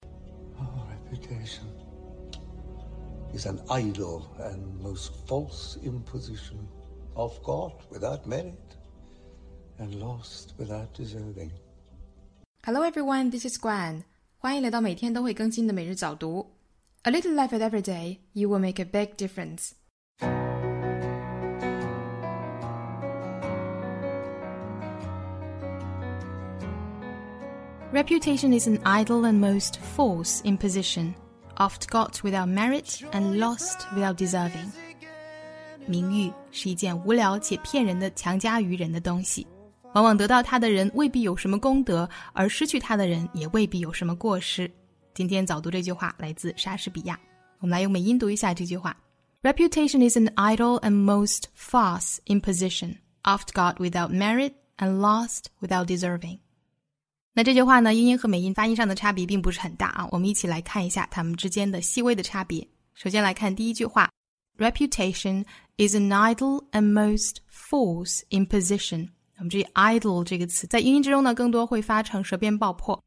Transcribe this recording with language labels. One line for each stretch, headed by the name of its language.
English: reputation is an idle and most false imposition of God without merit and lost without deserving. Hello everyone, this is Gwen.
Chinese: 欢迎来到每天都会更新的每日早读。
English: A little life at every day, you will make a big difference. 。Reputation is an idle and most false imposition, oft got without merit and lost without deserving.
Chinese: 名誉是一件无聊且骗人的强加于人的东西，往往得到它的人未必有什么功德，而失去它的人也未必有什么过失。今天早读这句话来自莎士比亚，我们来用美音读一下这句话。
English: Reputation is an idle and most false imposition, oft got without merit and lost without deserving.
Chinese: 那这句话呢，英音和美音发音上的差别并不是很大啊，我们一起来看一下它们之间的细微的差别。首先来看第一句话，
English: Reputation is an idle and most false imposition。
Chinese: 我们这 idle 这个词在英音之中呢，更多会发成舌边爆破。